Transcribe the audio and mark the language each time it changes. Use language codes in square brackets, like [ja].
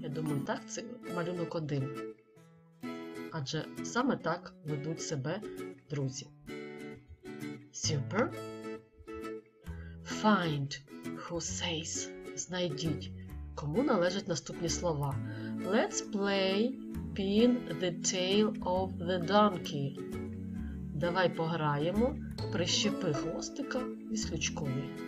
[uk] Я думаю, так, це малюнок один. Адже саме так ведуть себе друзі. [en] Super. Find who says. [uk] Знайдіть, кому належать наступні слова. [en] Let's play pin the tail of the donkey. [uk] Давай пограємо, прищепи хвостика віслючкові.